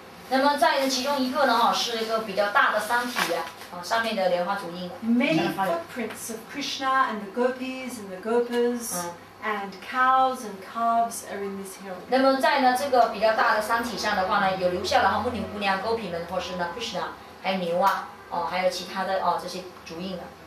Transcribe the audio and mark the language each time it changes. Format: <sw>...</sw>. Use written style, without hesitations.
<zh>那么在其中一个呢，哦，是一个比较大的山体呀、啊，上面的莲花足印。</zh> <en>Many footprints of Krishna and the gopis and the gopas.、嗯And cows and calves are in this hill.</en> <zh>那么在呢这个比较大的山体上的话呢，有留下了哈牧女姑娘、沟皮们，或是呢 Krishna， 还有牛啊，哦，还有其他的哦这些足印的。</zh>